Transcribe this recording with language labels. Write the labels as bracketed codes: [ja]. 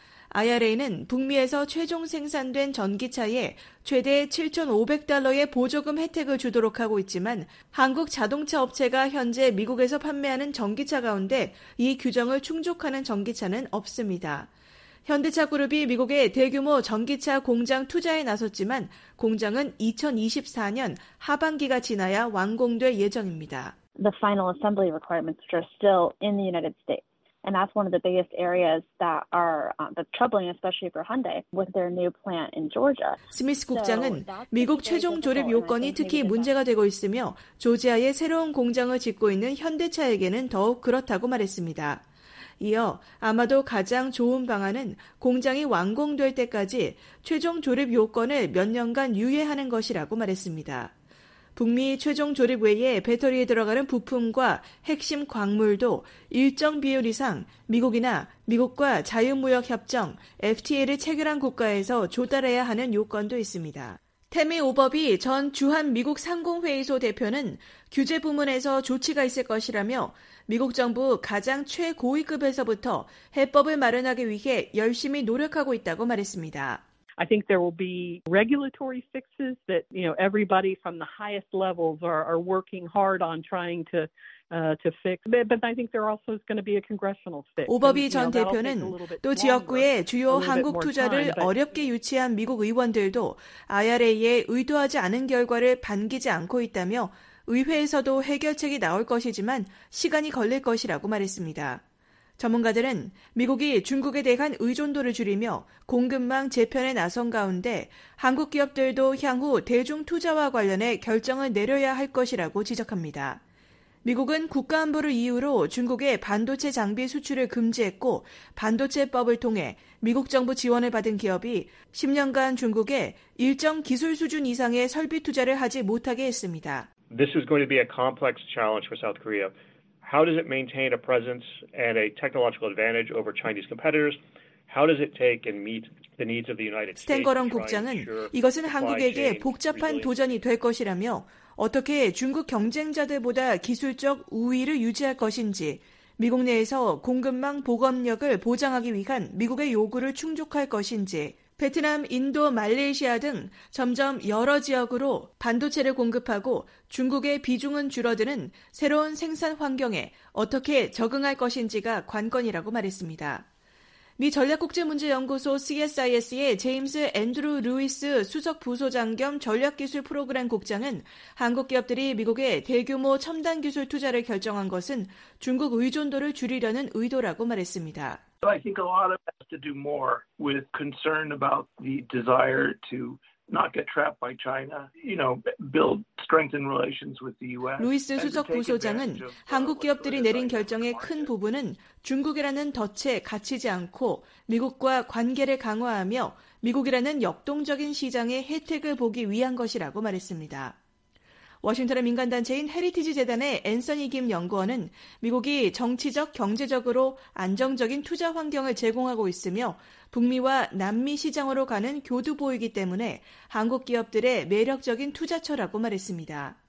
[ko] IRA는 북미에서 최종 생산된 전기차에 최대 $7,500의 보조금 혜택을 주도록 하고 있지만 한국 자동차 업체가 현재 미국에서 판매하는 전기차 가운데 이 규정을 충족하는 전기차는 없습니다. 현대차 그룹이 미국에 대규모 전기차 공장 투자에 나섰지만 공장은 2024년 하반기가 지나야 완공될 예정입니다. [en] The final assembly requirements are still in the United States. And that's one of the biggest areas that are troubling, especially for Hyundai with their new plant in Georgia. [ko] 스미스 국장은 미국 최종 조립 요건이 특히 문제가 되고 있으며 조지아에 새로운 공장을 짓고 있는 현대차에게는 더욱 그렇다고 말했습니다. 이어 아마도 가장 좋은 방안은 공장이 완공될 때까지 최종 조립 요건을 몇 년간 유예하는 것이라고 말했습니다. 북미 최종 조립 외에 배터리에 들어가는 부품과 핵심 광물도 일정 비율 이상 미국이나 미국과 자유무역협정 FTA를 체결한 국가에서 조달해야 하는 요건도 있습니다. 태미 오버비 전 주한미국 상공회의소 대표는 규제 부문에서 조치가 있을 것이라며 미국 정부 가장 최고위급에서부터 해법을 마련하기 위해 열심히 노력하고 있다고 말했습니다. [en] I think there will be regulatory fixes that, you know, everybody from the highest levels are working hard on trying to fix. But I think there also is going to be a congressional fix. [ko] 오버비 전 대표는 또 지역구의 주요 한국 투자를 어렵게 유치한 미국 의원들도 IRA에 의도하지 않은 결과를 반기지 않고 있다며 의회에서도 해결책이 나올 것이지만 시간이 걸릴 것이라고 말했습니다. 전문가들은 미국이 중국에 대한 의존도를 줄이며 공급망 재편에 나선 가운데 한국 기업들도 향후 대중 투자와 관련해 결정을 내려야 할 것이라고 지적합니다. 미국은 국가안보를 이유로 중국의 반도체 장비 수출을 금지했고 반도체법을 통해 미국 정부 지원을 받은 기업이 10년간 중국에 일정 기술 수준 이상의 설비 투자를 하지 못하게 했습니다. [en] This is going to be a complex challenge for South Korea. How does it maintain a presence and a technological advantage over Chinese competitors? How does it take and meet the needs of the United States? [ko] 스탱거런 국장은 이것은 한국에게 복잡한 도전이 될 것이라며 어떻게 중국 경쟁자들보다 기술적 우위를 유지할 것인지 미국 내에서 공급망 보급력을 보장하기 위한 미국의 요구를 충족할 것인지 베트남, 인도, 말레이시아 등 점점 여러 지역으로 반도체를 공급하고 중국의 비중은 줄어드는 새로운 생산 환경에 어떻게 적응할 것인지가 관건이라고 말했습니다. 미 전략국제문제연구소 CSIS의 제임스 앤드루 루이스 수석 부소장 겸 전략기술 프로그램 국장은 한국 기업들이 미국에 대규모 첨단 기술 투자를 결정한 것은 중국 의존도를 줄이려는 의도라고 말했습니다. [en] So I think a lot of it has to do more with concern about the desire to not get trapped by China, you know, build strengthen relations with the US. [ko] 루이스 수석 부소장은 한국 기업들이 내린 결정의 큰 부분은 중국이라는 덫에 갇히지 않고 미국과 관계를 강화하며 미국이라는 역동적인 시장의 혜택을 보기 위한 것이라고 말했습니다. 워싱턴의 민간단체인 헤리티지 재단의 앤서니 김 연구원은 미국이 정치적, 경제적으로 안정적인 투자 환경을 제공하고 있으며 북미와 남미 시장으로 가는 교두보이기 때문에 한국 기업들의 매력적인 투자처라고 말했습니다.